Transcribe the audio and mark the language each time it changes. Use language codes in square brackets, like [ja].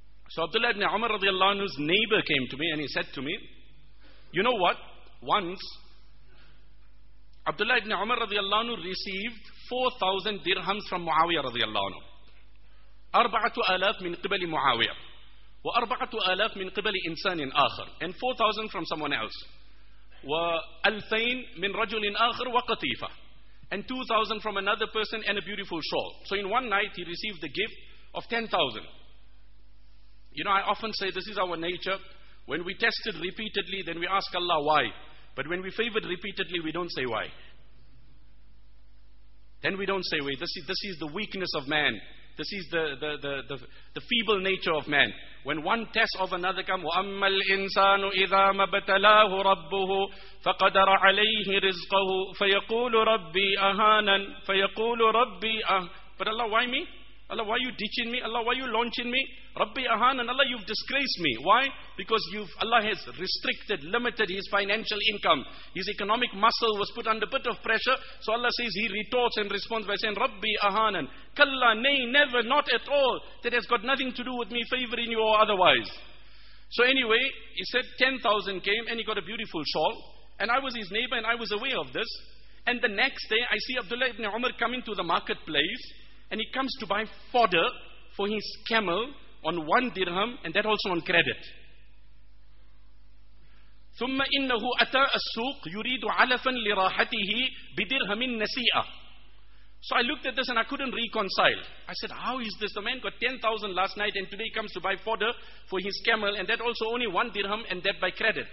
[en] So Abdullah ibn Umar رضي الله عنه's neighbor came to me and he said to me, you know what? Once, Abdullah ibn Umar رضي الله عنه received 4,000 dirhams from Muawiyah رضي الله عنه. [ar] 4,000 من قبل Muawiyah. و4,000 من قبل إنسان آخر. [en] And 4,000 from someone else. [ar] وألفين من رجل آخر وقطيفة, [en] and 2,000 from another person and a beautiful shawl. So in one night he received the gift of 10,000. You know, I often say this is our nature. When we tested repeatedly, then we ask Allah why. But when we favored repeatedly, we don't say why. Then we don't say why. This is the weakness of man. This is the feeble nature of man. When one test of another comes, [ar] وَأَمَّا الْإِنسَانُ إِذَا مَبْتَلَاهُ رَبُّهُ فَقَدَرَ عَلَيْهِ رِزْقَهُ فَيَقُولُ رَبِّي أَهَانًا فَيَقُولُ رَبِّي أَهَانًا. [en] But Allah, why me? Allah, why are you ditching me? Allah, why are you launching me? [ar] رَبِّي أَهَانًا. [en] Allah, you've disgraced me. Why? Because Allah has restricted, limited his financial income. His economic muscle was put under a bit of pressure. So Allah says, he retorts and responds by saying, [ar] رَبِّي أَهَانًا. [en] كَلَّا, nay, never, not at all. That has got nothing to do with me favoring you or otherwise. So anyway, he said 10,000 came and he got a beautiful shawl. And I was his neighbor and I was aware of this. And the next day, I see Abdullah ibn Umar coming to the marketplace. And he comes to buy fodder for his camel on one dirham, and that also on credit. [ar] ثُمَّ إِنَّهُ أَتَى السُّوقُ يُرِيدُ عَلَفًا لِرَاحَتِهِ بِدِرْهَمٍ نَسِيئًا. [en] So I looked at this and I couldn't reconcile. I said, how is this? The man got 10,000 last night and today he comes to buy fodder for his camel, and that also only one dirham, and that by credit.